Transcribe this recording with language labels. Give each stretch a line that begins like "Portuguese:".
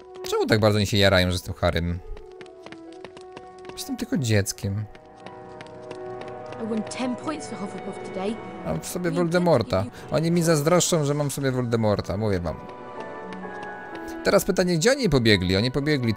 Polish: Czemu tak bardzo oni się jarają, że jestem Harrym? Jestem tylko dzieckiem.
English: I won 10 points for Hufflepuff today.
Polish: Mam w sobie Voldemorta. Oni mi zazdroszczą, że mam w sobie Voldemorta, mówię wam. Teraz pytanie, gdzie oni pobiegli? Oni pobiegli.